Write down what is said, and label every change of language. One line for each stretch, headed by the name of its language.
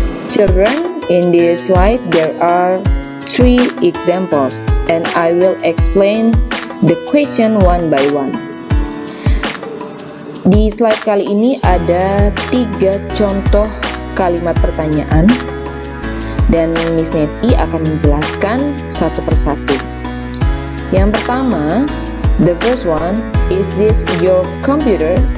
English: Children, in this slide there are three examples and I will explain the question one by one.
Indonesian: Di slide kali ini ada tiga contoh kalimat pertanyaan dan Miss Neti akan menjelaskan satu persatu. Yang pertama,
English: the first one, is this your computer?